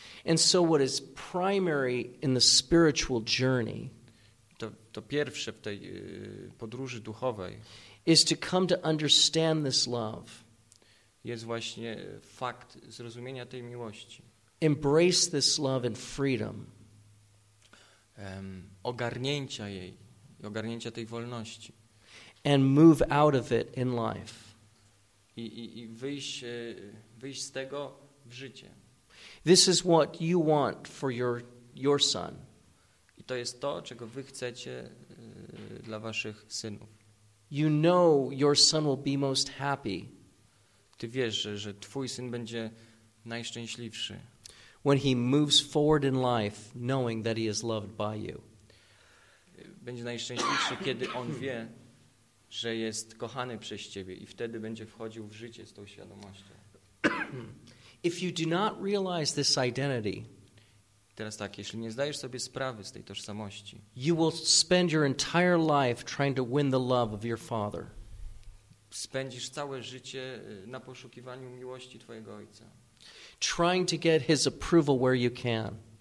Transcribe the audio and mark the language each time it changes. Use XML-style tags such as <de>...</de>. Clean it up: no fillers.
<en>And so what is primary in the spiritual journey,</en> <pl>to pierwsze w tej podróży duchowej,</pl> <en>is to come to understand this love.</en> <pl>Jest właśnie fakt zrozumienia tej miłości.</pl> <en>Embrace this love and freedom.</en> <pl>Ogarnięcia jej, ogarnięcia tej wolności.</pl> <en>And move out of it in life.</en> <pl>I wyjść z tego w życie.</pl> <en>This is what you want for your son.</en> <pl>I to jest to, czego wy chcecie dla waszych synów.</pl> <en>You know your son will be most happy.</en> <pl>Ty wiesz, że twój syn będzie najszczęśliwszy.</pl> <en>When he moves forward in life, knowing that he is loved by you.</en> <pl>Będzie najszczęśliwszy, kiedy on wie, że jest kochany przez ciebie i wtedy będzie wchodził w życie z tą świadomością.</pl> <en>If you do not realize this identity,</en> <pl>teraz tak, jeśli nie zdajesz sobie sprawy z tej tożsamości,</pl> <en>you will spend your entire life trying to win the love of your father.</en> <pl>Spędzisz całe życie na poszukiwaniu miłości twojego ojca.</pl> <en>Trying to get his approval where you can.</en>